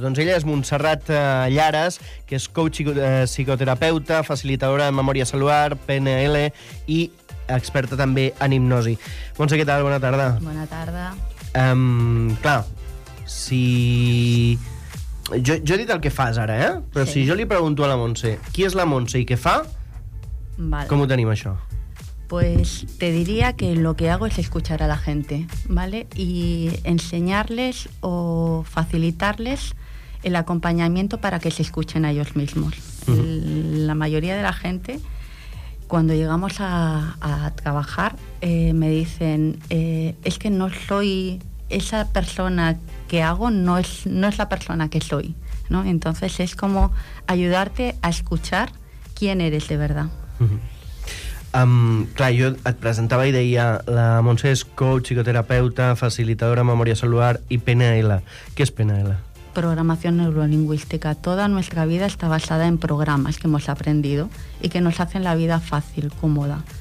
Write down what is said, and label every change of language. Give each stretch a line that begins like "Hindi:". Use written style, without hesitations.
Catalan: Doncs ella és Montserrat Llares, que és coach psicoterapeuta, facilitadora de memòria cel·lular, PNL i experta també en hipnosi. Montse, què tal? Bona tarda. Bona tarda. Clar, si... Jo he dit el que fas ara, eh? Però sí. Si jo li pregunto a la Montse qui és la Montse i què fa, vale. Com ho tenim, això?
Spanish: Pues te diría que lo que hago es escuchar a la gente, ¿vale? Y enseñarles o facilitarles el acompañamiento para que se escuchen a ellos mismos. Uh-huh. La mayoría de la gente, cuando llegamos a trabajar, me dicen, es que no soy esa persona que hago, no es la persona que soy, ¿no? Entonces es como ayudarte a escuchar quién eres de verdad. Uh-huh.
Catalan: Clar, jo et presentava i deia, la Montse és coach, psicoterapeuta, facilitadora, memòria cel·lular i PNL. Què és PNL?
Spanish: Programación neurolingüística. Toda nuestra vida está basada en programas que hemos aprendido y que nos hacen la vida fácil, cómoda.